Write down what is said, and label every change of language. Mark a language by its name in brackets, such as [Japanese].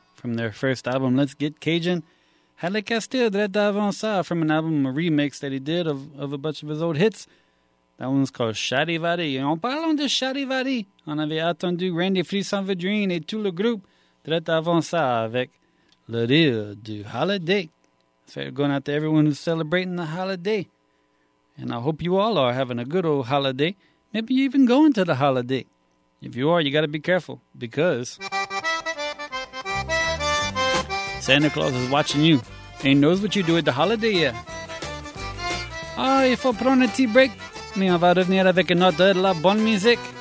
[English] From their first album, Let's Get Cajun. Had Le Castile, Dread d'Avant ça, from an album, a remix that he did of a bunch of his old hits. That one's called Charivari. [French] Et en parlant de Charivari, on avait attendu Randy Frisson-Vedrine et tout le groupe, Dread d'Avant ça, avec Le Rire du Holiday. [English] Fair going out to everyone who's celebrating the holiday. And I hope you all are having a good old holiday. Maybe you're even going to the holiday. If you are, you gotta be careful, because Santa Claus is watching you, and he knows what you do at the holiday, yeah. [French] Ah, il faut prendre un petit break, mais on va revenir avec une autre de la bonne musique.